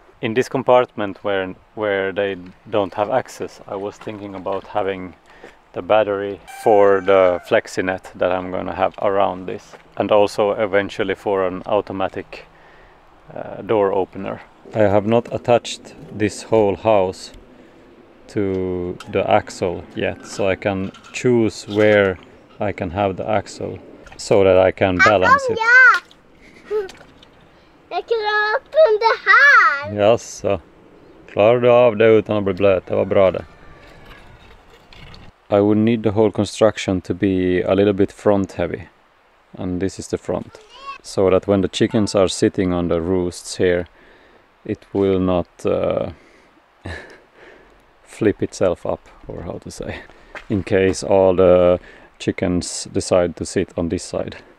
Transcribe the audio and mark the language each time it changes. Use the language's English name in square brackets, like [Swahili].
[English] In this compartment where they don't have access, I was thinking about having the battery for the flexi net that I'm gonna have around this, and also eventually for an automatic door opener. I have not attached this whole house to the axle yet, so I can choose where I can have the axle so that I can balance it. [Swedish] Jag kan öppna det här! Jaså, klarar du av det utan att bli blöt? Det var bra det. [English] I would need the whole construction to be a little bit front heavy, and this is the front, so that when the chickens are sitting on the roosts here, it will not flip itself up, or how to say, in case all the chickens decide to sit on this side.